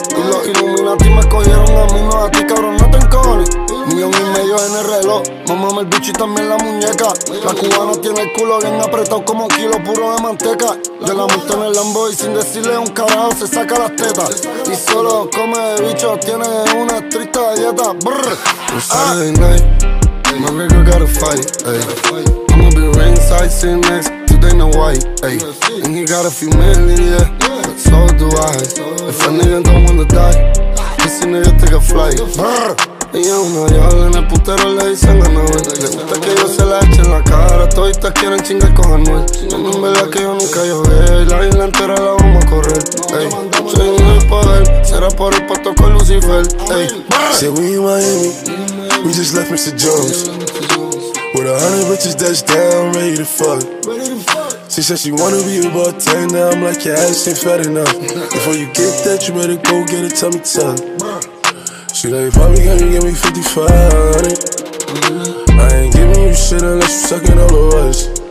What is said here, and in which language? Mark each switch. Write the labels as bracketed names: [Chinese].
[Spanish] Y los Illuminati me cogieron a mí, no a ti, cabrón, no te encojones. 1,000,000 en el reloj. Mamame el bicho y también la muñeca. La cubana tiene el culo bien apretado como un kilo puro de manteca. Yo la monto en el Lambo y sin decirle un carajo se saca las tetas. Y solo come de bicho, tiene una triste dieta. [English] On Saturday night, my nigga got a fight, ayy. I'ma be ringside sitting next to Dana White, ayy. And he got a few million, yeah, but so do I. If a nigga don't wanna die, this nigga take a flight. Brr. [Spanish] Ella es una diabla, en el putero le dicen a Noel. Le gusta que yo se la eche en la cara. Toditas quieren chingar con Anuel. No, en verdad que yo nunca llogué. La isla entera la vamos a correr. Ey, soy un del poder. Será por el pato con Lucifer. Ey, [English] say we in Miami. We just left Mr. Jones. With 100 bitches that's down, ready to fuck. She said she wanna be a bartender. I'm like, your ass ain't fat enough. Before you get that, you better go get a tummy tuck. She like, Bobby, can you give me 55, honey? I ain't giving you shit unless you suckin' all of us.